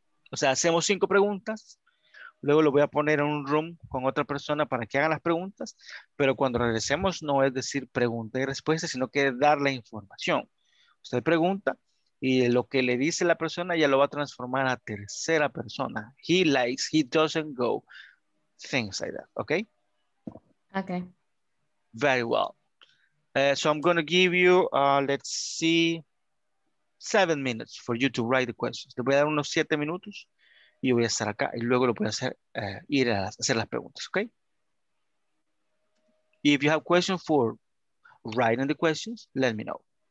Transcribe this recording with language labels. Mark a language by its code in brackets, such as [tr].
[es] O sea, hacemos 5 preguntas. Luego lo voy a poner en un room con otra persona para que hagan las preguntas. Pero cuando regresemos no es decir pregunta y respuesta, sino que es dar la información. Usted pregunta y lo que le dice la persona ya lo va a transformar a tercera persona. [en] He likes, he doesn't go. Things like that, [es] ¿ok? [en] Ok. Very well. So I'm going to give you, let's see, 7 minutes for you to write the questions. [es] Te voy a dar unos 7 minutos y voy a estar acá y luego lo voy a hacer, ir a hacer las preguntas, okay? [en] If you have questions for writing the questions, let me know.